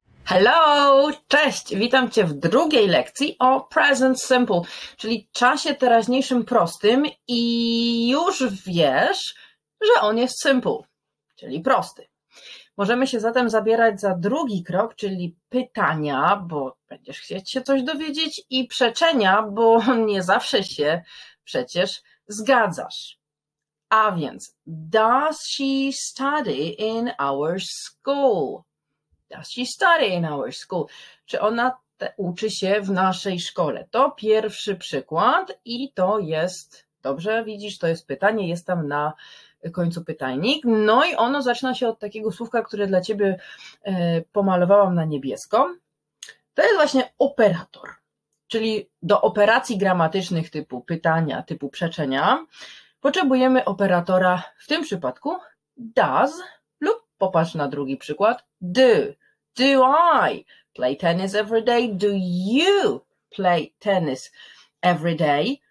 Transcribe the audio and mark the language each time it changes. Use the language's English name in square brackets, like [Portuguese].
[Polish] Hello, cześć, witam Cię w drugiej lekcji o present simple, czyli czasie teraźniejszym prostym i już wiesz, że on jest simple, czyli prosty. Możemy się zatem zabierać za drugi krok, czyli pytania, bo będziesz chcieć się coś dowiedzieć i przeczenia, bo nie zawsze się przecież zgadzasz. A więc, [English] does she study in our school? Does she study in our school? [Polish] Czy ona uczy się w naszej szkole? To pierwszy przykład i to jest, dobrze widzisz, to jest pytanie, jest tam na końcu pytajnik. No i ono zaczyna się od takiego słówka, które dla ciebie pomalowałam na niebiesko. To jest właśnie operator, czyli do operacji gramatycznych typu pytania, typu przeczenia, potrzebujemy operatora w tym przypadku does lub popatrz na drugi przykład do. [English] Do I play tennis every day? Do you play tennis every day?